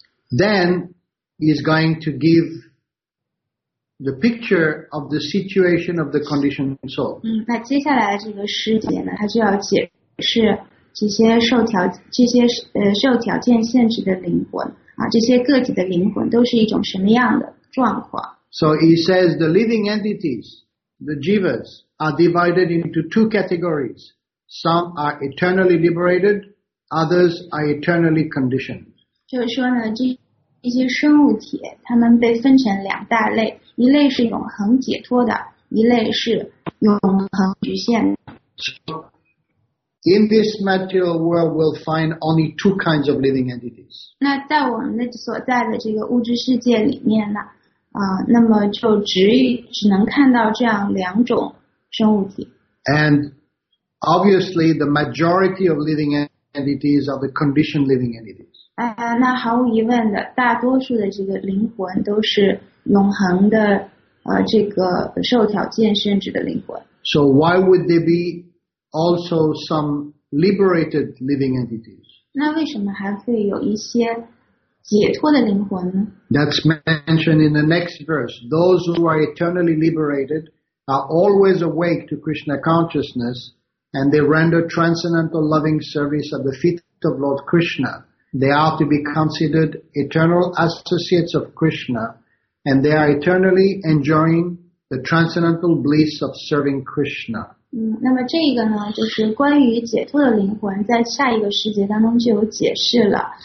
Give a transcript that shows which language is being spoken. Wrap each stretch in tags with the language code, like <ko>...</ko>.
<en>Then he's going to give the picture of the situation of the conditioned soul.</en> <zh>那接下来这个诗节呢，他就要解释这些受条件限制的灵魂啊，这些个体的灵魂都是一种什么样的状况。</zh> <en>So he says the living entities, the jivas, are divided into two categories. Some are eternally liberated, others are eternally conditioned.</en> <zh>就是说呢，这些生物体，它们被分成两大类，一类是永恒解脱的，一类是永恒局限的。</zh> <en>In this material world, we'll find only two kinds of living entities.</en> <zh>那在我们的所在的这个物质世界里面呢，那么就只能看到这样两种生物体。</zh> <en>And obviously, the majority of living entities are the conditioned living entities.</en> <zh>那毫无疑问的，大多数的这个灵魂都是永恒的，这个受条件限制的灵魂。</zh> <en>So why would they be? Also, some liberated living entities.</en> <zh>那为什么还会有一些解脱的灵魂呢？</zh> <en>That's mentioned in the next verse. Those who are eternally liberated are always awake to Krishna consciousness, and they render transcendental loving service at the feet of Lord Krishna. They are to be considered eternal associates of Krishna, and they are eternally enjoying the transcendental bliss of serving Krishna.</en> <zh>那么这个呢，就是关于解脱的灵魂，在下一个时节当中就有解释了。</zh>